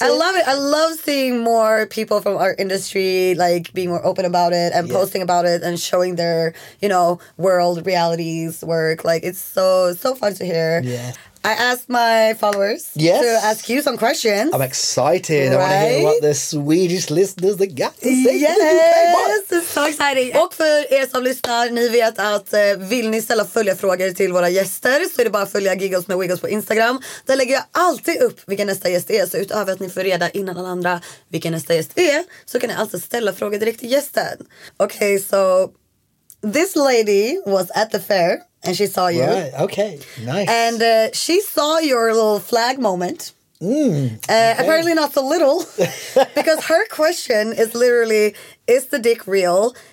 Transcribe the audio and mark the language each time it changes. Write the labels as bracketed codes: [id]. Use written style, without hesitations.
[en] I love it. I love seeing more people from our industry, like, being more open about it and posting about it and showing their, you know, world realities work. Like, it's so, so fun to hear. Yeah. I asked my followers to ask you some questions. I'm excited. Right? I want to hear what the Swedish listeners have got to say. Yes, this is so exciting. [sv] Och för er som lyssnar, ni vet att vill ni ställa följarfrågor till våra gäster så är det bara att följa Giggles med Wiggles på Instagram. Där lägger jag alltid upp vilken nästa gäst är. Så utöver att ni får reda innan alla andra vilken nästa gäst är så kan ni alltså ställa frågor direkt till gästen. Okej, [en] okay, så this lady was at the fair. And she saw you. Right, okay, nice. And she saw your little flag moment. Okay. Apparently not so little. Because her question is literally, is the dick real?